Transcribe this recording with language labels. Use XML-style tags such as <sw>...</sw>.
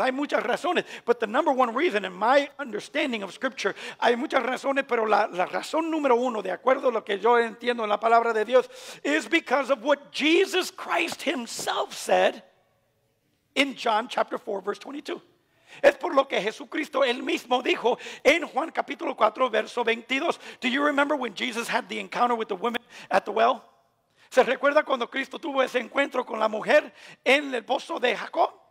<es>Hay muchas razones,</es> <en>but the number one reason, in my understanding of scripture,</en> <es>hay muchas razones, pero la razón número uno, de acuerdo a lo que yo entiendo en la palabra de Dios,</es> <en>is because of what Jesus Christ himself said in John chapter 4, verse 22.</en> <es>Es por lo que Jesucristo él mismo dijo en Juan capítulo 4, verso 22.</es> <en>Do you remember when Jesus had the encounter with the woman at the well?</en> <es>¿Se recuerda cuando Cristo tuvo ese encuentro con la mujer en el pozo de Jacob?</es>